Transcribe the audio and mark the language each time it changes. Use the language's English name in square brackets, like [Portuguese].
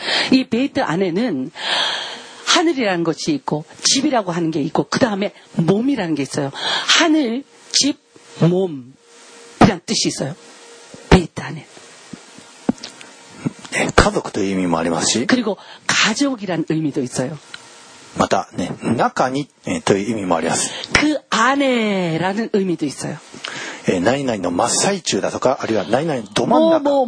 [Korean] 이ベイト안에는하늘이라는것이있고집이라고하는게있고그다음에몸이라는게있어요。 하늘、집、몸이란뜻이있어요。 ベイト안에 [Japanese] 家族という意味もありますし、 [Korean] 그리고가족이라는의미도있어요。 [Japanese] また、ね、中にという意味もあります。 [Korean] 그안에라는의미도있어요。 [Japanese] 何々の真っ最中だとか、あるいは何々のど真ん中。